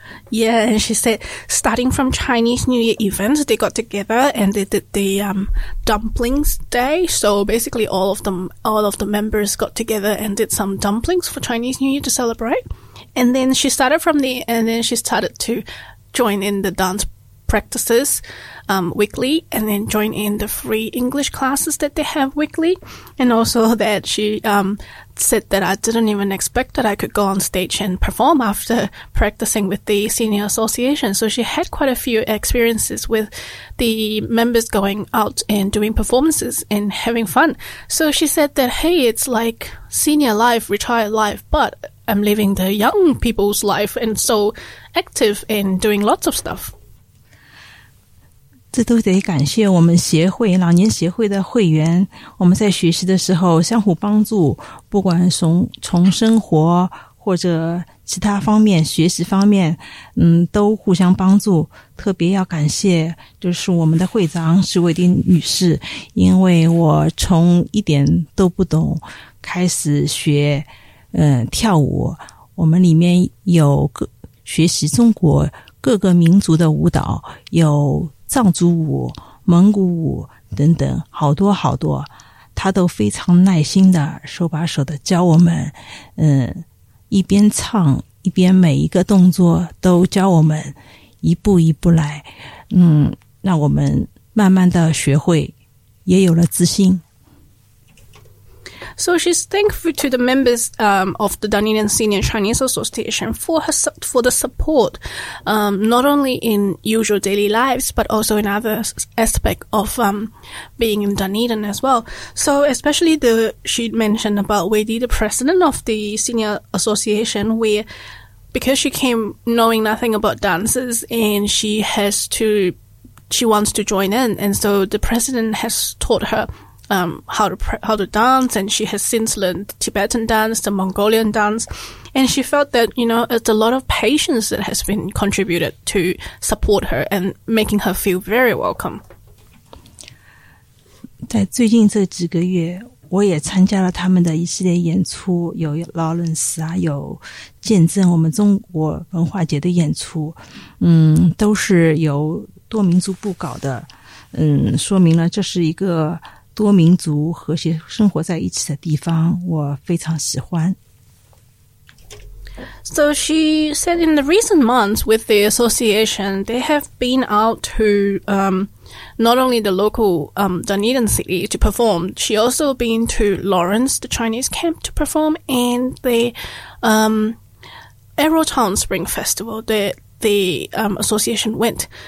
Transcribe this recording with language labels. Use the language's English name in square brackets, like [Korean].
[English] Yeah, and she said, starting from Chinese New Year event, they got together and they did the dumplings day. So basically all of the members got together and did some dumplings for Chinese New Year to celebrate. And then she started from there, and then she started to join in the dance practices weekly, and then join in the free English classes that they have weekly. And also that she said that I didn't even expect that I could go on stage and perform after practicing with the senior association. So she had quite a few experiences with the members going out and doing performances and having fun. So she said that, hey, it's like senior life, retired life, but I'm living the young people's life and so active and doing lots of stuff. [Chinese] 这都得感谢我们协会，老年协会的会员，我们在学习的时候相互帮助，不管从生活或者其他方面，学习方面，都互相帮助。特别要感谢就是我们的会长史伟丁女士，因为我从一点都不懂开始学跳舞，我们里面有学习中国各个民族的舞蹈，有藏族舞、蒙古舞等等，好多好多，他都非常耐心的手把手的教我们，一边唱一边每一个动作都教我们，一步一步来，让我们慢慢的学会，也有了自信。 [English] So she's thankful to the members of the Dunedin Senior Chinese Association for the support, not only in usual daily lives, but also in other aspects of being in Dunedin as well. So especially she mentioned about Wadi, the president of the Senior Association, where because she came knowing nothing about dances and she wants to join in. And so the president has taught her how to dance, and she has since learned Tibetan dance, the Mongolian dance, and she felt that, you know, it's a lot of patience that has been contributed to support her and making her feel very welcome. [Chinese] 在最近这几个月，我也参加了他们的一系列演出，有 Lawrence 啊，有见证我们中国文化节的演出，都是由多民族部搞的，说明了这是一个多民族和谐生活在一起的地方，我非常喜欢。 [English] So she said in the recent months with the association, they have been out to not only the local Dunedin city to perform, she also been to Lawrence, the Chinese camp to perform, and the Arrowtown Spring Festival that the association went.